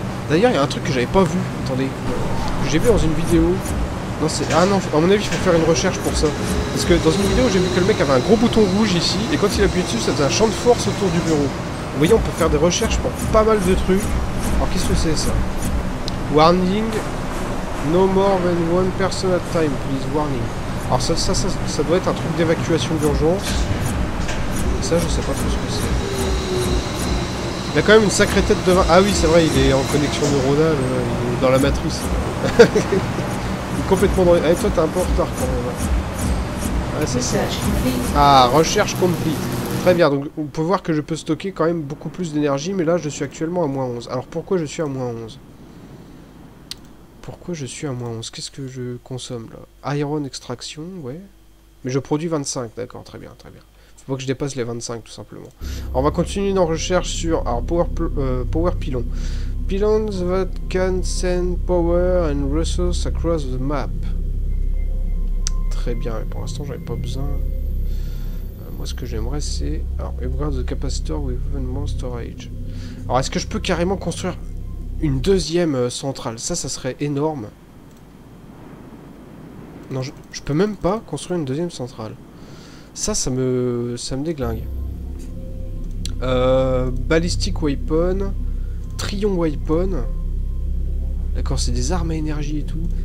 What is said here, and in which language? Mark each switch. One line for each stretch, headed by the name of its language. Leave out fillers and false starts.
French: D'ailleurs il y a un truc que j'avais pas vu. Attendez, j'ai vu dans une vidéo. Non c'est, ah non, à mon avis il faut faire une recherche pour ça. Parce que dans une vidéo j'ai vu que le mec avait un gros bouton rouge ici. Et quand il appuyait dessus ça faisait un champ de force autour du bureau. Vous voyez, on peut faire des recherches pour pas mal de trucs. Alors qu'est-ce que c'est ça?
English: Warning. No more than one person at time, please, warning.
French: Alors ça doit être un truc d'évacuation d'urgence. Ça, je sais pas trop ce que c'est. Il a quand même une sacrée tête de vin. Ah oui, c'est vrai, il est en connexion neuronale, dans la matrice. Il est complètement dans... Eh, toi, t'es un peu en retard, quand même. Ah, c'est ça. Ah, recherche complete. Très bien, donc on peut voir que je peux stocker quand même beaucoup plus d'énergie, mais là, je suis actuellement à moins 11. Alors, pourquoi je suis à moins 11? Pourquoi je suis à moins 11? Qu'est-ce que je consomme, là?
English: Iron extraction,
French: ouais. Mais je produis 25, d'accord, très bien, très bien. Faut pas que je dépasse les 25, tout simplement. Alors, on va continuer nos recherches sur... Alors, power pylon.
English: Pylons that can send power and resources across the map.
French: Très bien, mais pour l'instant, j'en ai pas besoin. Moi, ce que j'aimerais, c'est... Alors,
English: upgrade the capacitor with even more storage.
French: Alors, est-ce que je peux carrément construire une deuxième centrale? Ça serait énorme. Non, je peux même pas construire une deuxième centrale. Ça me déglingue.
English: Ballistic weapon. Trion weapon.
French: D'accord, c'est des armes à énergie et tout.